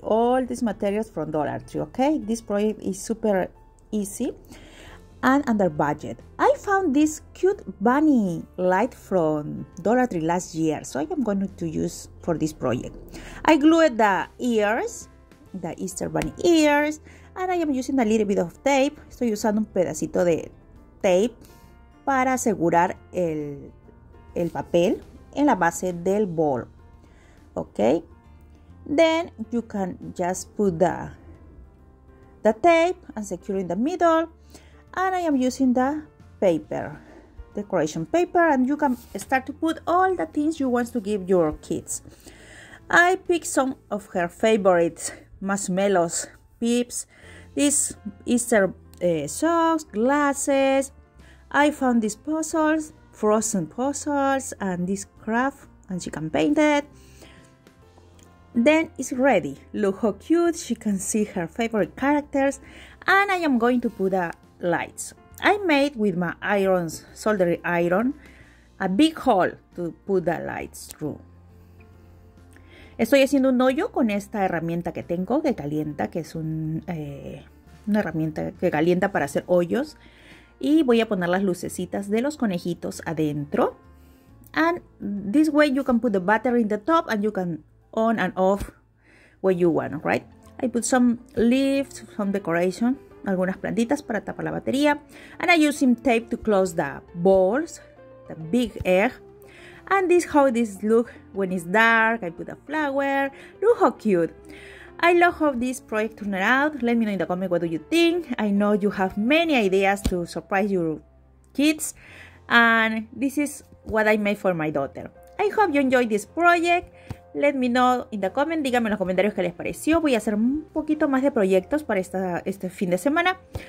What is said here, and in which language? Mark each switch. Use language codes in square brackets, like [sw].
[en] All these materials from Dollar Tree, okay? This project is super easy and under budget. I found this cute bunny light from Dollar Tree last year, so I am going to use for this project. I glued the ears, the Easter bunny ears, and I am using a little bit of tape. [es] Estoy usando un pedacito de tape para asegurar el papel en la base del bowl. [en] Okay, then you can just put the tape and secure in the middle, and I am using the paper, decoration paper, and you can start to put all the things you want to give your kids. I picked some of her favorite marshmallows, peeps, these Easter socks, glasses. I found these puzzles, frozen puzzles, and this craft, and she can paint it. Then it's ready. Look how cute. She can see her favorite characters. And I am going to put the lights. I made with my iron, soldering iron, a big hole to put the lights through. [es] Estoy haciendo un hoyo con esta herramienta que tengo, que calienta, que es una herramienta que calienta para hacer hoyos. Y voy a poner las lucecitas de los conejitos adentro. [en] And this way you can put the battery in the top and you can on and off where you want, right? I put some leaves, some decoration, [es] algunas plantitas para tapar la batería, [en] and I use some tape to close the balls, the big egg. And this how this look when it's dark. I put a flower. Look how cute. I love how this project turned out. Let me know in the comment what do you think. I know you have many ideas to surprise your kids, and this is what I made for my daughter. I hope you enjoyed this project. Let me know in the comment, [es] díganme en los comentarios qué les pareció. Voy a hacer un poquito más de proyectos para este fin de semana.